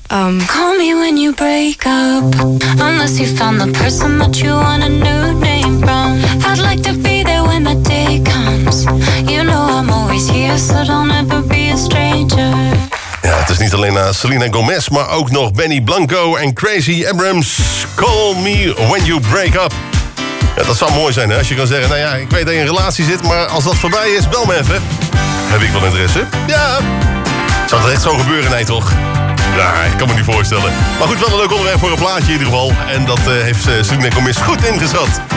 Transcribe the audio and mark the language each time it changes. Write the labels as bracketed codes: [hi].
[en] Call me when you break up. Unless you found the person that you want a new name from. I'd like to be there when the day comes. You know I'm always here, so don't ever be a stranger. [nl] Ja, het is niet alleen Selena Gomez, maar ook nog Benny Blanco en Crazy Abrams. [en] Call me when you break up. [nl] Ja, dat zou mooi zijn, hè, als je kan zeggen, nou ja, ik weet dat je in een relatie zit, maar als dat voorbij is, bel me even. Heb ik wel interesse? Ja. Zou dat echt zo gebeuren? Nee, toch? Ja, ik kan me niet voorstellen. Maar goed, wel een leuk onderwerp voor een plaatje in ieder geval. En dat heeft Selena Gomez goed ingeschat.